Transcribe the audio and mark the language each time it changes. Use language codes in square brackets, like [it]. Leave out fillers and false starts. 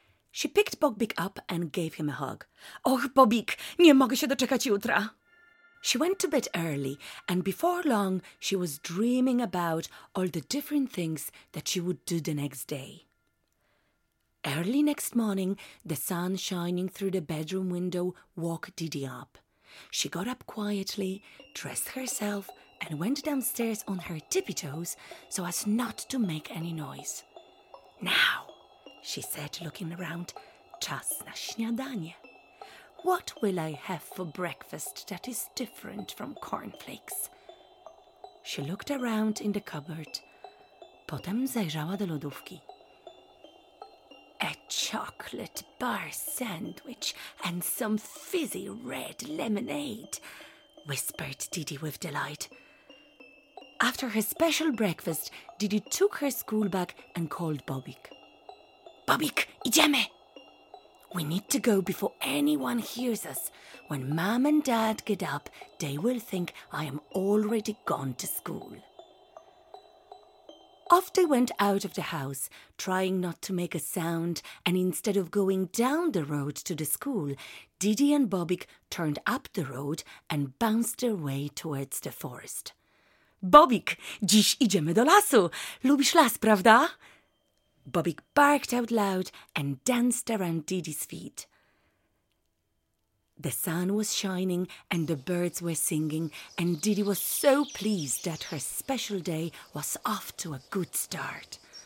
[en] She picked Bobik up and gave him a hug. [pl] Och, Bobik, nie mogę się doczekać jutra. [en] She went to bed early, and before long she was dreaming about all the different things that she would do the next day. Early next morning, the sun shining through the bedroom window woke Didi up. She got up quietly, dressed herself, and went downstairs on her tippy toes so as not to make any noise. Now, she said, looking around, [pl] czas na śniadanie. [en] What will I have for breakfast that is different from cornflakes? She looked around in the cupboard. [pl] Potem zajrzała do lodówki. [en] A chocolate bar sandwich and some fizzy red lemonade, whispered Didi with delight. After her special breakfast, Didi took her school bag and called Bobik. [pl] Bobik, idziemy! [en] We need to go before anyone hears us. When Mom and Dad get up, they will think I am already gone to school. Off they went out of the house, trying not to make a sound, and instead of going down the road to the school, Didi and Bobik turned up the road and bounced their way towards the forest. [pl] Bobik, dziś idziemy do lasu. Lubisz las, prawda? [en] Bobik barked out loud and danced around Didi's feet. The sun was shining and the birds were singing, and Didi was so pleased that her special day was off to a good start.